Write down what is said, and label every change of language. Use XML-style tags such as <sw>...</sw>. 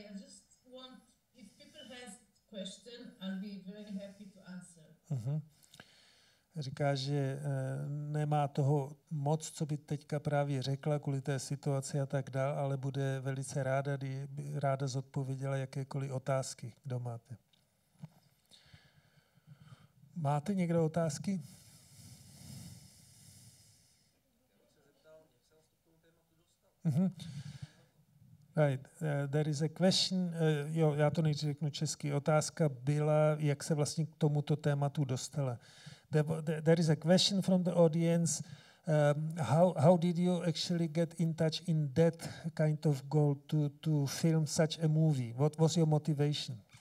<en>I just want, if people have question, I'll be very happy to answer.</en> <cs>Říká, že nemá toho moc, co by teďka právě řekla kvůli té situaci a tak dál, ale bude velice ráda, ráda zodpověděla jakékoliv otázky, kdo máte. Máte někdo otázky?</cs> <en>Mm-hmm. Right. There is a question.</en> <cs>Jo, já to nejdřív řeknu česky. Otázka byla, jak se vlastně k tomuto tématu dostala.</cs> <en>There is a question from the audience. How did you actually get in touch in that kind of goal to film such a movie? What was your motivation?</en>